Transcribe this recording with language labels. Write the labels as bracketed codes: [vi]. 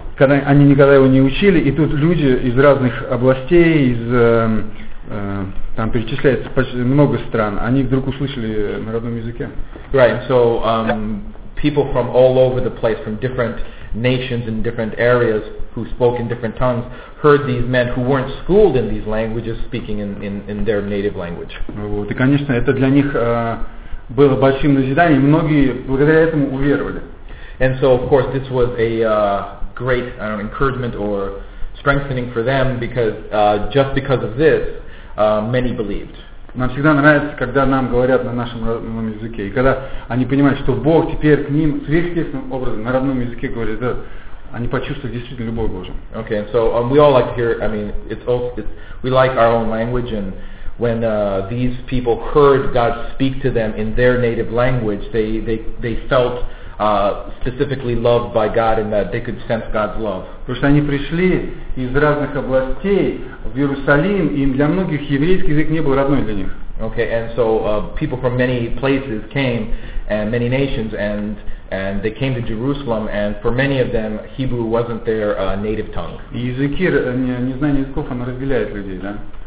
[ru] Когда они никогда его не учили, и тут люди из разных областей, из там перечисляется почти много стран, они вдруг услышали на родном языке. [en] Right, so people from all over the place, from different nations and different areas who spoke in different tongues, heard these men who weren't schooled in these languages speaking in their native language. [ru] Вот, и, конечно, это для них было большим назиданием, многие благодаря этому уверовали. [en] And so, of course, this was a great encouragement or strengthening for them, because just because of this, many believed. [ru] Нам всегда нравится, когда нам говорят на нашем родном языке, и когда они понимают, что Бог теперь к ним сверхъестественным образом на родном языке говорит, да, они почувствуют действительно любовь Божию. [en] Okay, and so we all like to hear. I mean, it's we like our own language, and when these people heard God speak to them in their native language, they felt specifically loved by God, and that they could sense God's love. [ru] Потому что они пришли из разных областей в Иерусалим, и для многих еврейский язык не был родной для них. [en] Okay, and so people from many places came, and many nations, and they came to Jerusalem, and for many of them Hebrew wasn't their native tongue. [ru] И языки, незнание языков, оно разделяет людей, да?